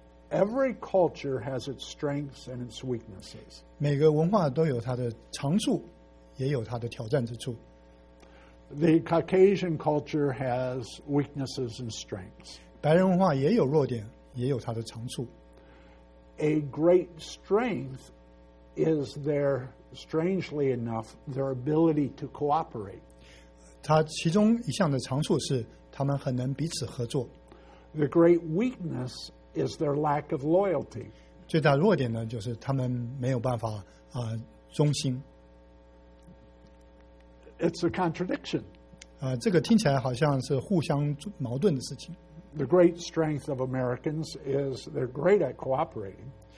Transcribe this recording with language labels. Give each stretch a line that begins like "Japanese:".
English: Every culture has its strengths and its weaknesses.
Chinese: 每个文化都有它的长处，也有它的挑战之处。
English: The Caucasian culture has weaknesses and strengths.
Chinese: 白人文化也有弱点，也有它的长处。
English: A great strength is their, strangely enough, their ability to cooperate.
Chinese: 它其中一项的长处是他们很能彼此合作。
English: The great weakness is their lack of loyalty.
Chinese: 最大弱点呢，就是他们没有办法忠心。
English: It's a contradiction.
Chinese: 这个听起来好像是互相矛盾的事情。
English: The great strength of Americans is they're great at cooperating.